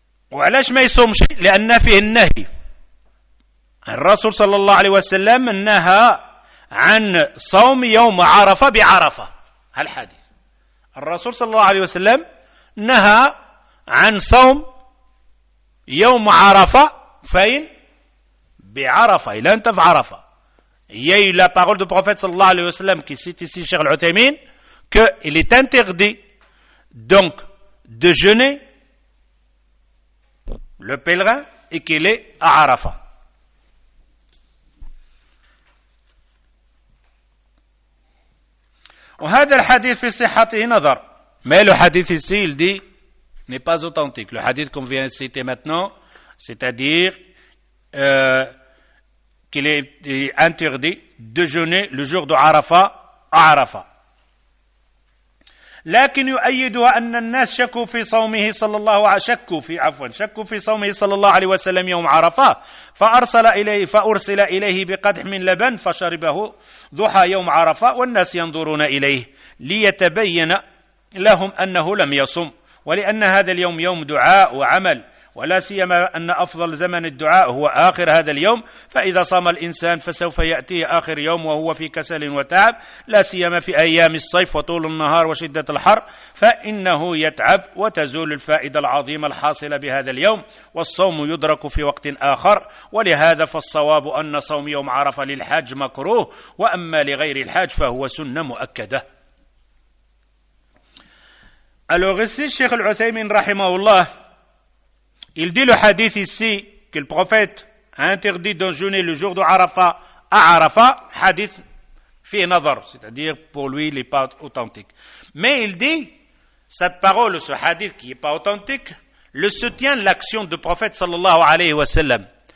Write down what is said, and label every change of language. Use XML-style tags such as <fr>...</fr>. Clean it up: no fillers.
<ar>وعلاش ما يصومش؟ لأن فيه النهي. الرسول صلى الله عليه وسلم نهى عن صوم يوم عرفة بعرفة. هالحديث الرسول صلى الله عليه وسلم نهى عن صوم يوم عرفة فإن بعرفة إلى أنت في عرفة.</ar> <fr>Il y a eu la parole du prophète sallallahu alayhi wa sallam qui cite ici Cheikh Al-Uthaymeen qu'il est interdit donc de jeûner le pèlerin et qu'il est à Arafat.</fr> <ar>وهذا الحديث في صحته نظر.</ar> <fr>Mais le hadith ici, il dit, n'est pas authentique. Le hadith qu'on vient citer maintenant, c'est-à-dire qu'il est interdit de jeûner le jour de Arafah à Arafah.</fr> <ar>لكن يؤيدها أن الناس شكوا في صومه صلى الله عليه وسلم شكوا في صومه صلى الله عليه وسلم يوم عرفة فأرسل إليه بقدح من لبن فشربه ضحى يوم عرفة والناس ينظرون إليه ليتبين لهم أنه لم يصم ولأن هذا اليوم يوم دعاء وعمل ولا سيما أن أفضل زمن الدعاء هو آخر هذا اليوم فإذا صام الإنسان فسوف يأتي آخر يوم وهو في كسل وتعب لا سيما في أيام الصيف وطول النهار وشدة الحر فإنه يتعب وتزول الفائدة العظيمة الحاصلة بهذا اليوم والصوم يدرك في وقت آخر ولهذا فالصواب أن صوم يوم عرفة للحاج مكروه وأما لغير الحاج فهو سنة مؤكدة.</ar> <fr>Alors ici Cheikh Al-Uthaymeen رحمه الله, il dit le hadith ici que le prophète a interdit de jeûner le jour de Arafah à Arafah,</fr> <ar>hadith fi nazar,</ar> <fr>c'est-à-dire pour lui il n'est pas authentique. Mais il dit, cette parole, ce hadith qui n'est pas authentique, le soutient l'action du prophète sallallahu alayhi wa sallam.</fr>